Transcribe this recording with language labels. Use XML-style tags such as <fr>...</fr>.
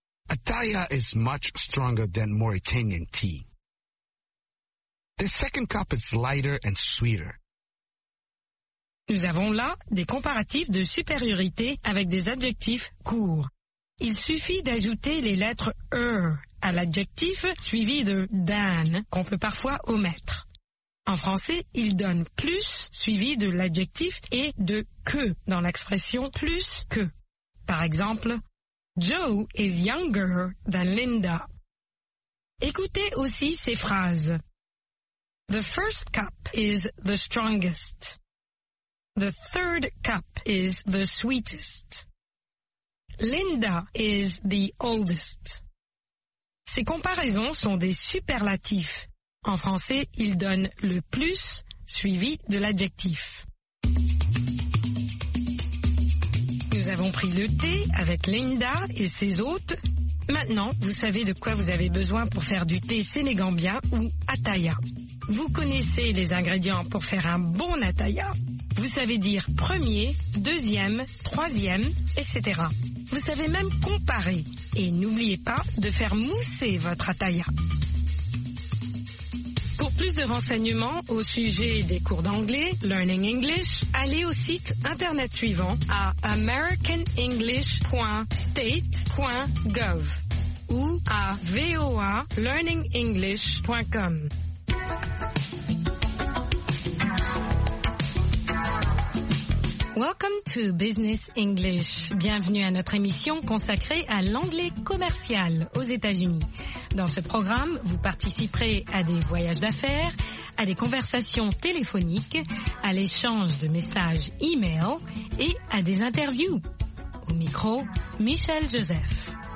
<en>Italia is much stronger than Mauritanian tea. The second cup is lighter and sweeter.</en> <fr>Nous avons là des comparatifs de supériorité avec des adjectifs courts. Il suffit d'ajouter les lettres er à l'adjectif suivi de than qu'on peut parfois omettre. En français, il donne plus suivi de l'adjectif et de que dans l'expression plus que. Par exemple,</fr> <en>Joe is younger than Linda.</en> <fr>Écoutez aussi ces phrases.</fr> <en>The first cup is the strongest. The third cup is the sweetest. Linda is the oldest.</en> <fr>Ces comparaisons sont des superlatifs. En français, il donne le plus suivi de l'adjectif. Nous avons pris le thé avec Linda et ses hôtes. Maintenant, vous savez de quoi vous avez besoin pour faire du thé sénégambien ou ataya. Vous connaissez les ingrédients pour faire un bon ataya. Vous savez dire premier, deuxième, troisième, etc. Vous savez même comparer. Et n'oubliez pas de faire mousser votre ataya. Pour plus de renseignements au sujet des cours d'anglais, Learning English, allez au site internet suivant à americanenglish.state.gov ou à voalearningenglish.com.</fr> <en>Welcome to Business English.</en> <fr>Bienvenue à notre émission consacrée à l'anglais commercial aux États-Unis. Dans ce programme, vous participerez à des voyages d'affaires, à des conversations téléphoniques, à l'échange de messages e-mail et à des interviews. Au micro, Michel Joseph.</fr>